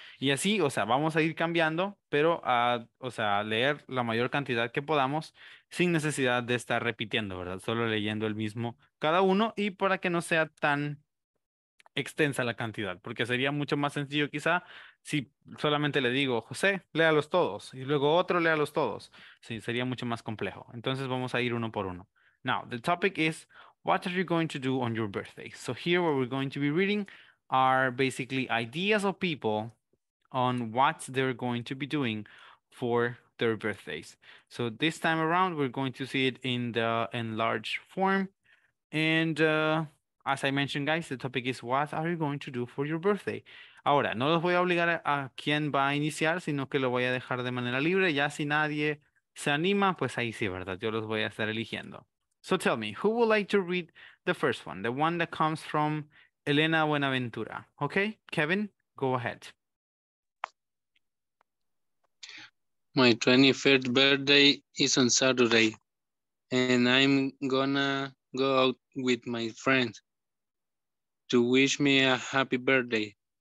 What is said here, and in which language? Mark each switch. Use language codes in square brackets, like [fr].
[es] Y así, o sea, vamos a ir cambiando, pero a leer la mayor cantidad que podamos sin necesidad de estar repitiendo, ¿verdad? Solo leyendo el mismo cada uno y para que no sea tan extensa la cantidad, porque sería mucho más sencillo quizá si solamente le digo, José, léalos todos, y luego otro, léalos todos. Sí, sería mucho más complejo. Entonces vamos a ir uno por uno. [en] Now, the topic is, what are you going to do on your birthday? So here what we're going to be reading are basically ideas of people on what they're going to be doing for their birthdays. So this time around, we're going to see it in the enlarged form. And as I mentioned, guys, the topic is what are you going to do for your birthday? [es] Ahora, no los voy a obligar a quién va a iniciar, sino que lo voy a dejar de manera libre. Ya si nadie se anima, pues ahí sí, ¿verdad? Yo los voy a estar eligiendo. [en] So tell me, who would like to read the first one? The one that comes from Elena Buenaventura. Okay, Kevin, go ahead. My 23rd birthday is on Saturday, and I'm gonna go out with my friends to wish me a happy birthday.